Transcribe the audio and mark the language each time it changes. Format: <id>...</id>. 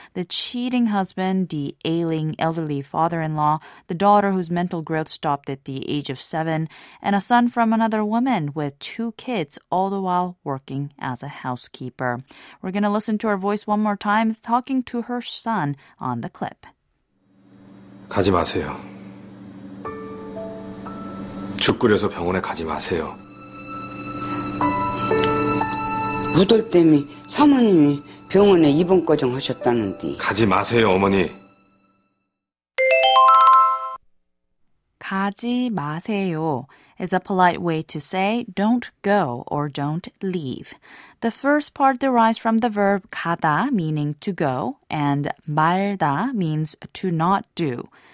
<en>The cheating husband, the ailing elderly father-in-law, the daughter whose mental growth stopped at the age of 7, and a son from another woman with 2 kids, all the while working as a housekeeper. We're going to listen to her voice one more time. I'm talking to her son on the clip.</en> <ko>가지 마세요. 죽 끓여서 병원에 가지 마세요. 우덜 때문에 사모님이 병원에 입원과정 하셨다는데. 가지 마세요, 어머니. 가지 마세요</ko> <en>is a polite way to say don't go or don't leave. The first part derives from the verb 가다, meaning to go, and 말다 means to not do.</en>